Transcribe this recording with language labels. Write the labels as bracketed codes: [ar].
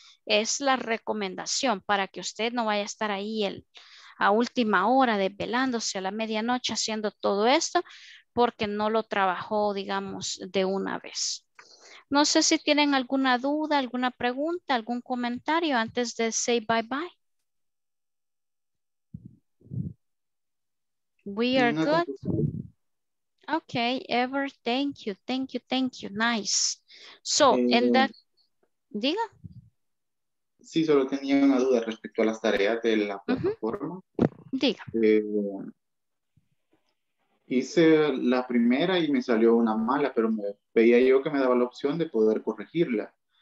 [es] Es la recomendación para que usted no vaya a estar ahí el, a última hora desvelándose a la medianoche haciendo todo esto porque no lo trabajó, digamos, de una vez. No sé si tienen alguna duda, alguna pregunta, algún comentario antes de [en] say bye bye. We are good. Okay, Ever, thank you, thank you, thank you. Nice. So, in that, [es] diga. Sí, solo tenía una duda respecto a las tareas de la plataforma. Diga. Hice la primera y me salió una mala, pero me veía yo que me daba la opción de poder corregirla.